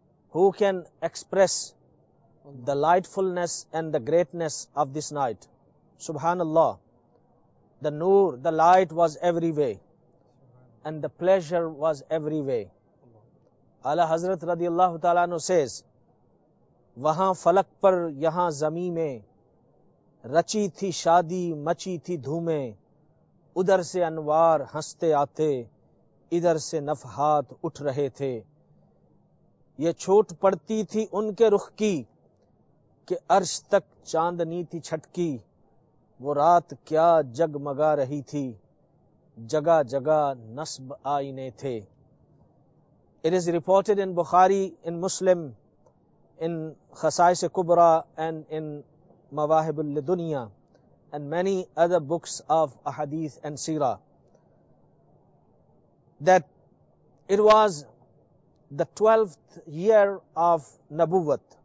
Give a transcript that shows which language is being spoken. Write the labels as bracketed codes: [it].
[en] Who can express the lightfulness and the greatness of this night? Subhanallah. The nur, the light was everywhere, and the pleasure was everywhere. Ala Hazrat radiyallahu ta'ala anhu says, [ur] وہاں فلک پر یہاں زمین میں رچی تھی شادی مچی تھی دھومیں ادھر سے انوار ہنستے آتے ادھر سے نفحات اٹھ رہے تھے یہ چھوٹ پڑتی تھی ان کے رخ کی کہ عرش تک چاندنی تھی چھٹکی وہ رات کیا جگمگا رہی تھی جگہ جگہ نصب آئینے تھے. [en] It is reported in Bukhari, in Muslim, in Khasais Kubra, and in Mawahib al-Dunya, and many other books of Ahadith and Seerah, that it was the 12th year of Nabuwat.